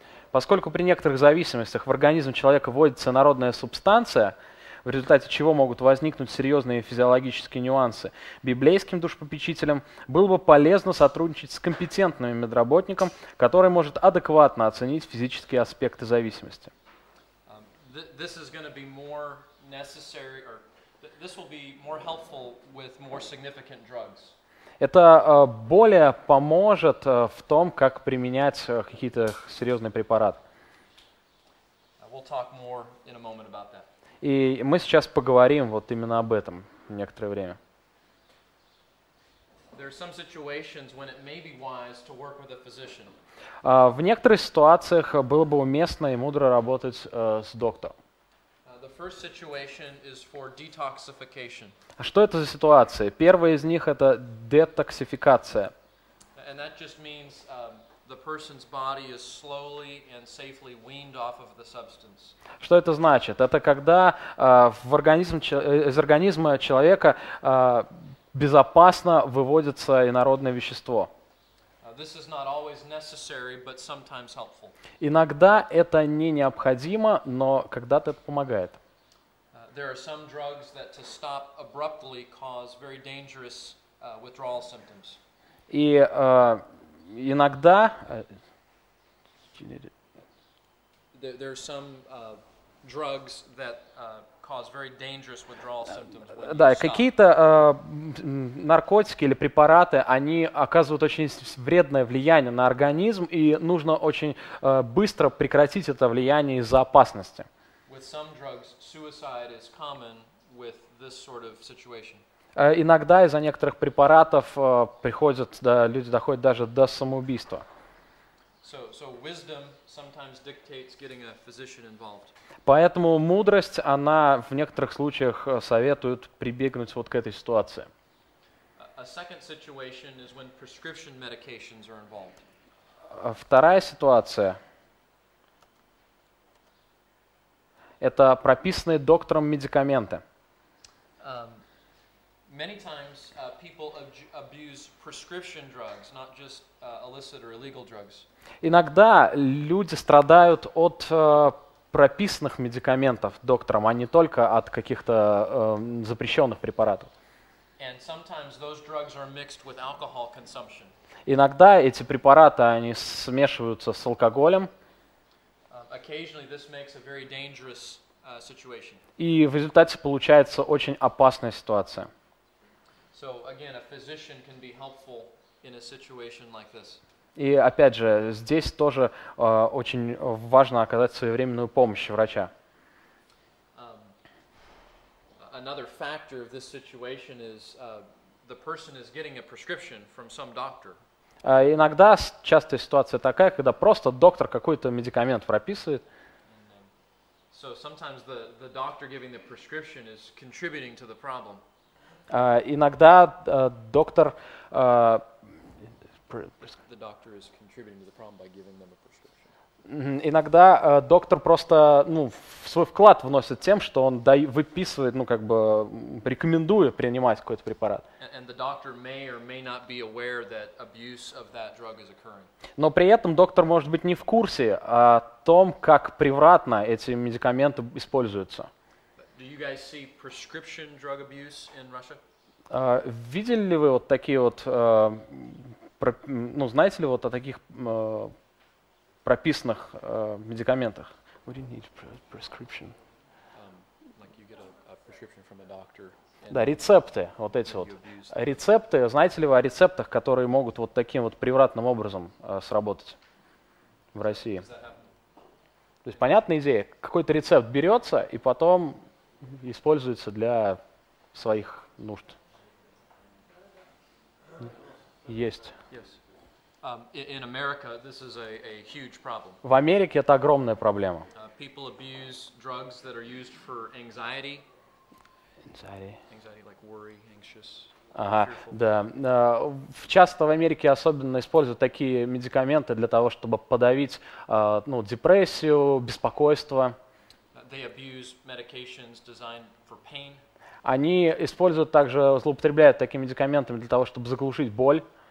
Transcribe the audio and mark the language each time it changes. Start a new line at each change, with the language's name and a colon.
Russian: Поскольку при некоторых зависимостях в организм человека вводится инородная субстанция, в результате чего могут возникнуть серьезные физиологические нюансы, библейским душепопечителям было бы полезно сотрудничать с компетентным медработником, который может адекватно оценить физические аспекты зависимости.
English: This is going to be more necessary, or this will be more helpful with more significant drugs.
Russian: Это более поможет в том, как применять какие-то серьезные препараты.
English: We'll talk more in a moment about that.
Russian: И мы сейчас поговорим вот именно об этом некоторое время.
English: There are some situations when it may be wise to work with a physician.
Russian: В некоторых ситуациях было бы уместно и мудро работать с доктором.
English: The first situation is for detoxification.
Russian: Что это за ситуация? Первая из них – это детоксификация.
English: And that just means the person's body is slowly and safely weaned off of the substance.
Russian: Что это значит? Это когда из организма человека безопасно выводится инородное вещество.
English: This is not always necessary, but sometimes helpful.
Russian: Иногда это не необходимо, но когда-то это помогает.
English: There are some drugs that to stop abruptly cause very dangerous withdrawal symptoms.
Russian: И иногда
English: there are some drugs that cause very dangerous withdrawal symptoms.
Russian: Да, какие-то наркотики или препараты, они оказывают очень вредное влияние на организм, и нужно очень быстро прекратить это влияние из-за опасности.
English: With some drugs, suicide is common with this sort of situation.
Russian: Иногда из-за некоторых препаратов люди доходят даже до самоубийства.
English: So wisdom sometimes dictates getting a physician involved.
Russian: Поэтому мудрость, она в некоторых случаях советует прибегнуть вот к этой ситуации.
English: A second situation is when prescription medications are involved.
Russian: Вторая ситуация – это прописанные доктором медикаменты.
English: Many times people abuse prescription drugs, not just illicit or illegal drugs.
Russian: Иногда люди страдают от прописанных медикаментов доктором, а не только от каких-то запрещенных препаратов.
English: And sometimes those drugs are mixed with alcohol consumption.
Russian: Иногда эти препараты они смешиваются с алкоголем.
English: Occasionally this makes a very dangerous situation.
Russian: И в результате получается очень опасная ситуация.
English: So again, a physician can be helpful in a situation like this.
Russian: И опять же, здесь тоже очень важно оказать своевременную помощь врача.
English: Another factor of this situation is the person is getting a prescription from some doctor.
Russian: Иногда частая ситуация такая, когда просто доктор какой-то медикамент прописывает.
English: So sometimes the doctor giving the prescription is contributing to the problem.
Russian: Иногда доктор
English: the doctor is contributing to the problem by giving them a prescription.
Russian: Иногда доктор просто ну, свой вклад вносит тем, что он выписывает, ну, как бы рекомендует принимать какой-то препарат. Но при этом доктор может быть не в курсе о том, как превратно эти медикаменты используются.
English: Do you guys see prescription drug abuse in Russia?
Russian: Видели ли вы вот такие вот, ну, знаете ли вот о таких прописанных медикаментах?
English: What do you need prescription? Like you get a prescription from a doctor.
Russian: Да, рецепты, вот эти вот. Рецепты, знаете ли вы о рецептах, которые могут вот таким вот превратным образом сработать в России? То есть понятная идея, какой-то рецепт берется и потом используется для своих нужд. Есть.
English: Yes. In America, this is a huge problem.
Russian: В Америке это огромная проблема.
English: People abuse drugs that are used for anxiety. Anxiety, like worry, anxious.
Russian: Ага, да. Часто в Америке особенно используют такие медикаменты для того, чтобы подавить ну, депрессию, беспокойство.
English: They abuse medications designed for pain.
Russian: Они используют также, злоупотребляют такими медикаментами для того, чтобы заглушить боль.